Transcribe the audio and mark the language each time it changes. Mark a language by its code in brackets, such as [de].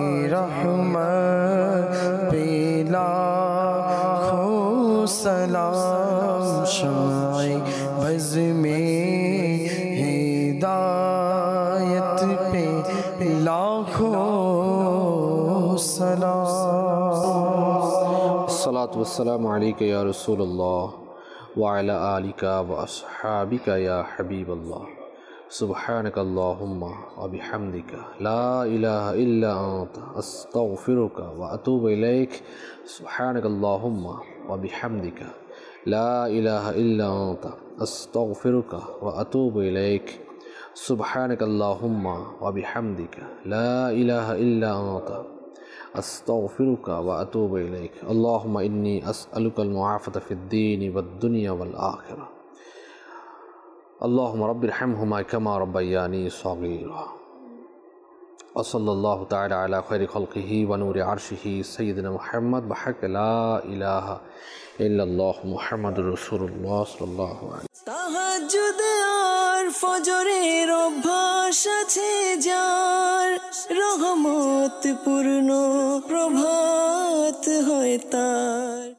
[ur] رحمت پہ لاکھوں سلام شمع بزم ہدایت پہ لاکھوں سلام [ar] صلاۃ والسلام علیک یا رسول اللہ وعلى آلك وأصحابك يا حبيب الله سبحانك اللهم وبحمدك لا إله إلا أنت أستغفرك وأتوب إليك سبحانك اللهم وبحمدك لا إله إلا أنت أستغفرك وأتوب إليك سبحانك اللهم وبحمدك لا إله إلا أنت استغفرك واتوب اليك اللهم اني اسالك المعافاه في الدين والدنيا والاخره اللهم رب ارحمهما كما ربياني صغيرا وصلى الله تعالى على خير خلقه ونور عرشه سيدنا محمد بحق لا اله الا الله محمد رسول الله صلى الله عليه [bn] تهجد আর ফজরের অভ্যাস আছে যার রহমত পূর্ণ প্রভাত হয় তার।